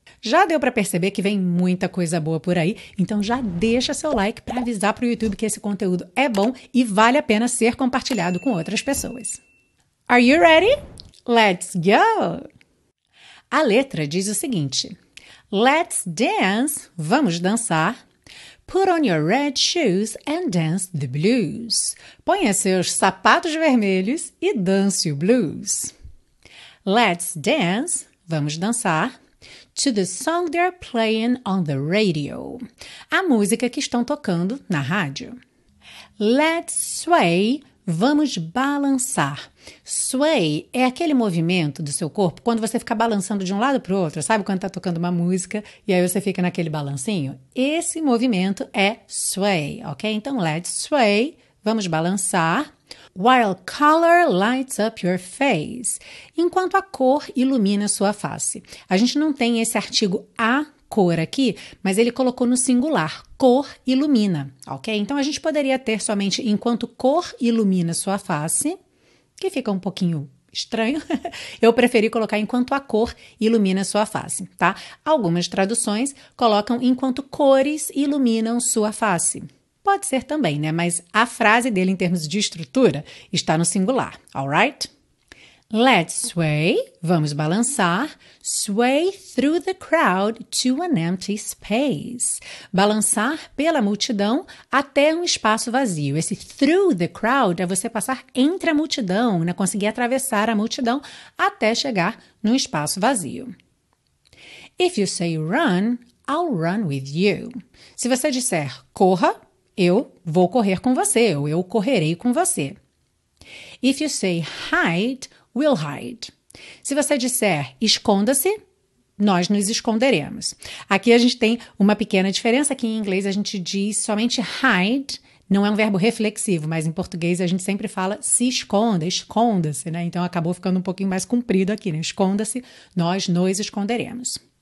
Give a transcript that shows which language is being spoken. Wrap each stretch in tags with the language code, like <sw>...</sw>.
<pt>Já deu para perceber que vem muita coisa boa por aí, então já deixa seu like para avisar para o YouTube que esse conteúdo é bom e vale a pena ser compartilhado com outras pessoas.</pt> <en>Are you ready? Let's go!</en> <pt>A letra diz o seguinte:</pt> <en>Let's dance,</en> <pt>vamos dançar.</pt> <en>Put on your red shoes and dance the blues.</en> <pt>Ponha seus sapatos vermelhos e dance o blues.</pt> <en>Let's dance,</en> <pt>vamos dançar.</pt> <en>To the song they're playing on the radio.</en> <pt>A música que estão tocando na rádio.</pt> <en>Let's sway,</en> <pt>vamos balançar. Sway é aquele movimento do seu corpo quando você fica balançando de um lado para o outro, sabe quando está tocando uma música e aí você fica naquele balancinho? Esse movimento é sway, ok? Então,</pt> <en>let's sway,</en> <pt>vamos balançar.</pt> <en>While color lights up your face.</en> <pt>Enquanto a cor ilumina sua face. A gente não tem esse artigo a cor aqui, mas ele colocou no singular. Cor ilumina, ok? Então, a gente poderia ter somente enquanto cor ilumina sua face, que fica um pouquinho estranho. Eu preferi colocar enquanto a cor ilumina sua face, tá? Algumas traduções colocam enquanto cores iluminam sua face. Pode ser também, né? Mas a frase dele em termos de estrutura está no singular,</pt> <en>alright? Let's sway,</en> <pt>vamos balançar,</pt> <en>sway through the crowd to an empty space.</en> <pt>Balançar pela multidão até um espaço vazio. Esse</pt> <en>through the crowd</en> <pt>é você passar entre a multidão, né? Conseguir atravessar a multidão até chegar num espaço vazio.</pt> <en>If you say run, I'll run with you.</en> <pt>Se você disser corra, eu vou correr com você, ou eu correrei com você.</pt> <en>If you say hide, we'll hide.</en> <pt>Se você disser esconda-se, nós nos esconderemos. Aqui a gente tem uma pequena diferença, que em inglês a gente diz somente hide, não é um verbo reflexivo, mas em português a gente sempre fala se esconda, esconda-se, né? Então acabou ficando um pouquinho mais comprido aqui, né? Esconda-se, nós nos esconderemos.</pt>